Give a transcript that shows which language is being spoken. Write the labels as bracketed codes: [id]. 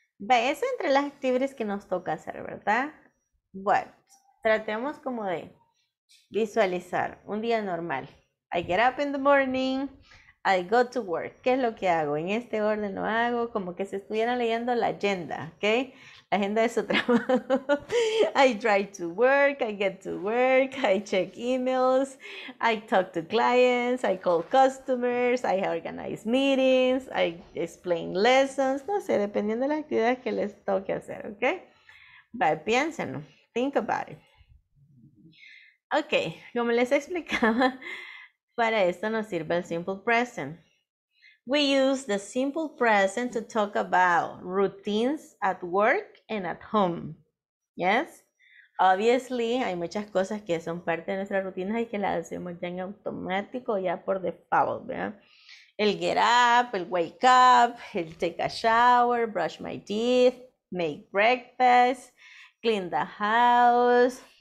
[es] Eso entre las actividades que nos toca hacer, ¿verdad? Bueno, tratemos como de visualizar un día normal. [en] I get up in the morning, I go to work. [es] ¿Qué es lo que hago? En este orden lo hago como que se estuvieran leyendo la agenda, ¿ok? La agenda de su trabajo. [en] I drive to work, I get to work, I check emails, I talk to clients, I call customers, I organize meetings, I explain lessons. [es] No sé, dependiendo de las actividades que les toque hacer, ¿ok? But piénsenlo, [en] think about it. [es] Ok, como les explicaba, para esto nos sirve el simple present. [en] We use the simple present to talk about routines at work and at home, yes? [es] Obviously, hay muchas cosas que son parte de nuestra rutina y que las hacemos ya en automático, ya por default, ¿verdad? [en] El get up, el wake up, el take a shower, brush my teeth, make breakfast, clean the house.